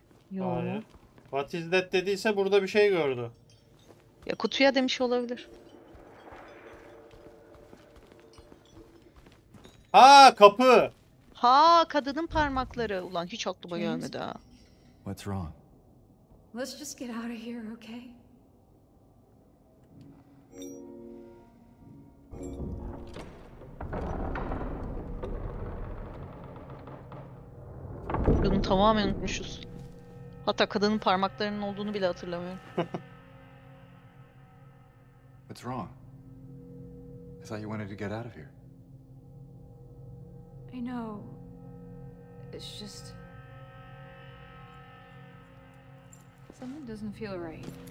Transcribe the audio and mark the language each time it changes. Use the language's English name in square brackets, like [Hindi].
[Turkish] Yok. [English] What is that [Turkish] dediyse burada bir şey gördü. Ya kutuya demiş olabilir. Ha, kapı. Ha, kadının parmakları. Ulan hiç aklıma gelmedi ha. [English] What's wrong? Let's just get out of here, okay? [Turkish] Bunu tamamen unutmuşuz. Hatta kadının parmaklarının olduğunu bile hatırlamıyorum. [English] What's wrong? I thought you wanted to get out of here. I know. It's just something doesn't feel right.